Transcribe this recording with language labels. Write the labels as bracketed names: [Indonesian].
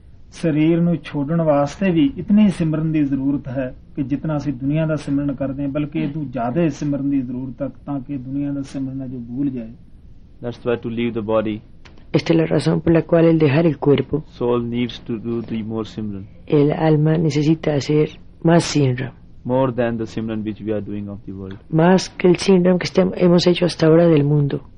[Punjabi] ਸਰੀਰ ਨੂੰ ਛੋੜਨ ਵਾਸਤੇ ਵੀ ਇਤਨੀ ਸਿਮਰਨ ਦੀ ਜ਼ਰੂਰਤ ਹੈ ਕਿ ਜਿਤਨਾ ਅਸੀਂ ਦੁਨੀਆਂ ਦਾ ਸਿਮਰਨ ਕਰਦੇ ਹਾਂ, ਬਲਕਿ ਇਹਦੂ ਜ਼ਿਆਦਾ ਸਿਮਰਨ ਦੀ ਜ਼ਰੂਰਤ ਹੈ ਤਾਂ ਕਿ ਦੁਨੀਆਂ ਦਾ ਸਿਮਰਨ ਜੋ ਭੁੱਲ ਜਾਏ. [English] That's why to leave the body. [Spanish] Esta es la razón por la cual el dejar el cuerpo. [English] Soul needs to do the more simran. [Spanish] El alma necesita hacer más simran. [English] More than the simran which we are doing of the world. [Spanish] Más que el simran que hemos hecho hasta ahora del mundo.